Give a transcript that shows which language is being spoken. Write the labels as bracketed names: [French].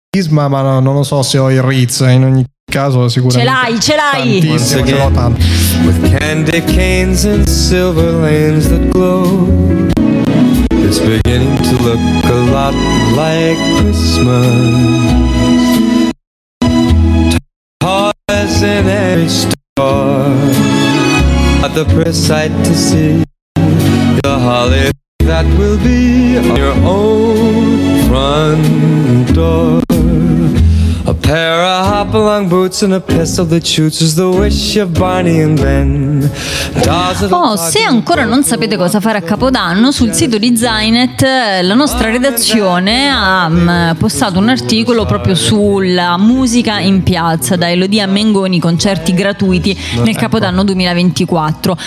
[Italian] ma non lo so se ho il Ritz, in ogni caso sicuramente ce l'hai tantissimo, ce l'ho tanto. [English] With candy canes and silver lanes that glow, it's beginning to look a lot like Christmas. Toys in every store at the first sight to see the holly that will be on your own front door. A pair of hop-along boots and a pistol that shoots is the wish of Barney and Ben. [Italian] Oh, se ancora non sapete cosa fare a Capodanno, sul sito di Zainet la nostra redazione ha postato un articolo proprio sulla musica in piazza, da Elodie a Mengoni, concerti gratuiti nel Capodanno 2024.